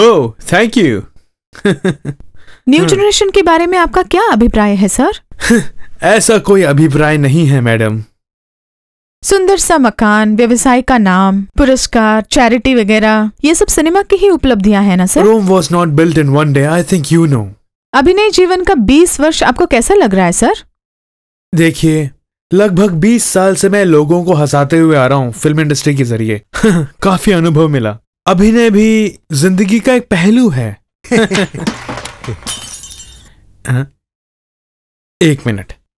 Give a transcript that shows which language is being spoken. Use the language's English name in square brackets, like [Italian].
[English] Oh thank you. [Hindi] New generation के बारे में आपका क्या अभिप्राय है सर? ऐसा कोई अभिप्राय नहीं है मैडम। सुंदर सा मकान, व्यवसाय का नाम, पुरस्कार, चैरिटी वगैरह, ये सब सिनेमा की ही उपलब्धियां है ना sir? [English] Rome was not built in one day, I think you know. [Hindi] अभिनय जीवन का 20 वर्ष आपको कैसा लग रहा है सर? देखिए, लगभग 20 साल से मैं लोगों को हंसाते हुए आ रहा हूँ फिल्म इंडस्ट्री के जरिए। काफी अनुभव मिला। अभिनय भी जिंदगी का एक पहलू है। एक मिनट